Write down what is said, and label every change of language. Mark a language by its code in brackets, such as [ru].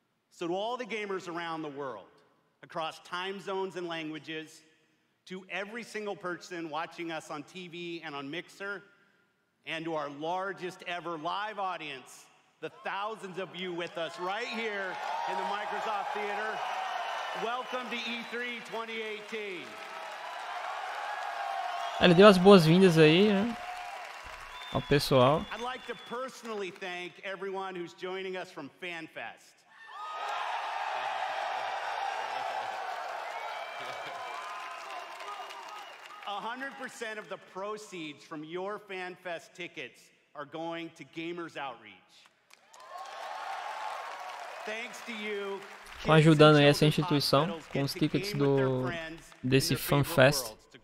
[en] So to all the gamers around the world, across time zones and languages, to every single person watching us on TV and on Mixer, and to our largest ever live audience, the thousands of you with us right here in the Microsoft Theater. Welcome to E3 2018. [pt] Ele deu as boas-vindas aí, né, ao pessoal. [en] I'd like to personally thank everyone who's joining us from FanFest. A 100% of the proceeds from your FanFest tickets are going to Gamers Outreach. Thanks to you. [pt] Estão ajudando aí essa instituição com os tickets do desse fan fest.